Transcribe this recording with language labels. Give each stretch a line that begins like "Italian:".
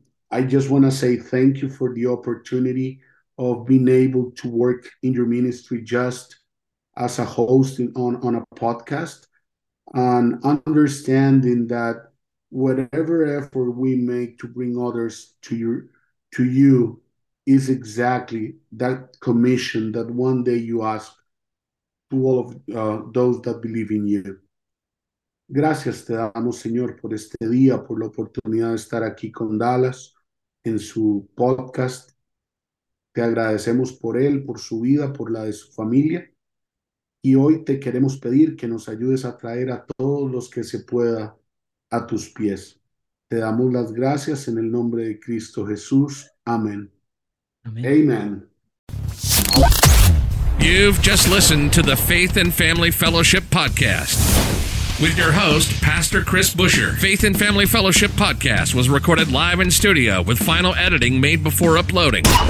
English: I just want to say thank you for the opportunity of being able to work in your ministry just as a host on a podcast, and understanding that whatever effort we make to bring others to you is exactly that commission that one day you ask to all of those that believe in you.
Spanish: Gracias te damos, Señor, por este día, por la oportunidad de estar aquí con Dallas en su podcast. Te agradecemos por él, por su vida, por la de su familia. Y hoy te queremos pedir que nos ayudes a traer a todos los que se pueda a tus pies. Te damos las gracias en el nombre de Cristo Jesús. Amén.
English: Amen. Amen. You've just listened to the Faith and Family Fellowship Podcast with your host, Pastor Chris Buescher. Faith and Family Fellowship Podcast was recorded live in studio with final editing made before uploading.